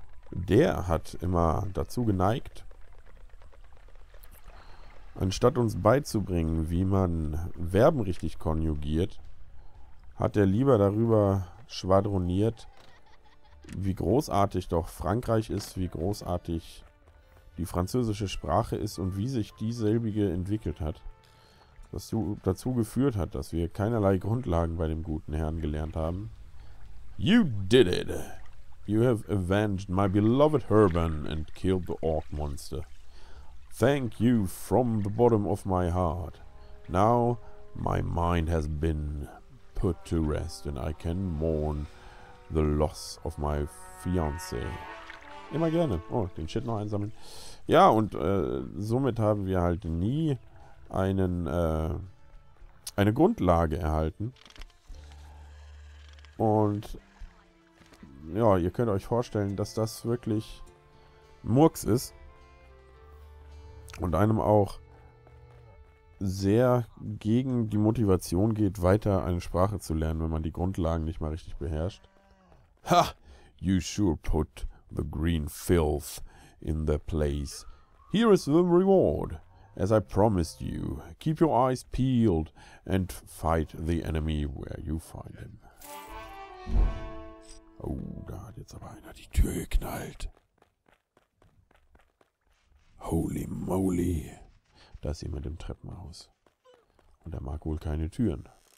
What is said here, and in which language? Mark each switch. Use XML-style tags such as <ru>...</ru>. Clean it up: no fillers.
<de>Der hat immer dazu geneigt, anstatt uns beizubringen, wie man Verben richtig konjugiert, hat er lieber darüber schwadroniert, wie großartig doch Frankreich ist, wie großartig die französische Sprache ist und wie sich dieselbige entwickelt hat, was dazu geführt hat, dass wir keinerlei Grundlagen bei dem guten Herrn gelernt haben.</de> <en>You did it! You have avenged my beloved Herban and killed the Orc Monster. Thank you from the bottom of my heart. Now my mind has been put to rest and I can mourn the loss of my fiance.</en> <de>immer gerne. Oh, den Shit noch einsammeln. Ja, und somit haben wir halt nie einen eine Grundlage erhalten. Und ja, ihr könnt euch vorstellen, dass das wirklich Murks ist. Und einem auch sehr gegen die Motivation geht, weiter eine Sprache zu lernen, wenn man die Grundlagen nicht mal richtig beherrscht. Ha!</de> <en>You sure put the green filth in the place. Here is the reward. As I promised you, keep your eyes peeled and fight the enemy where you find him.</en> <de>Oh, da hat jetzt aber einer die Tür geknallt.</de> <en>Holy moly.</en> <de>Da ist jemand im Treppenhaus. Und er mag wohl keine Türen.</de>